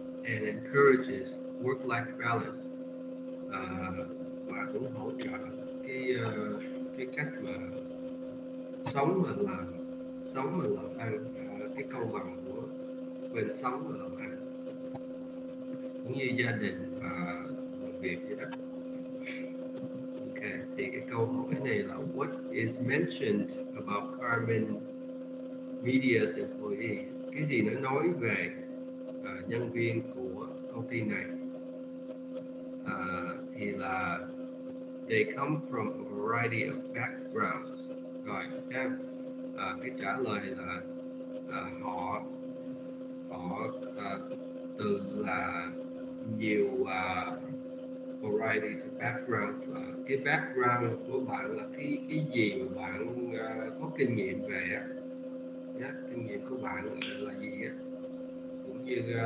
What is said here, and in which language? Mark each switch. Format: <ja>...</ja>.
<en>And encourages work-life balance,</en> <vi>và cũng hỗ trợ cái cách mà sống và làm ăn, cái công bằng của bên sống và làm ăn, cũng như gia đình và làm việc vậy đó.</vi> <en>Okay,</en> <vi>thì cái câu hỏi này là</vi> <en>what is mentioned about Carmen Media's employees?</en> <vi>Cái gì nó nói về nhân viên của công ty này?</vi> <en>Thì là they come from a variety of backgrounds.</en> <vi>Rồi, cái trả lời là họ từ là nhiều</vi> <en>varieties of backgrounds.</en> <vi>Cái background của bạn là cái gì mà bạn có kinh nghiệm về á, yeah, kinh nghiệm của bạn là gì á, cũng như</vi>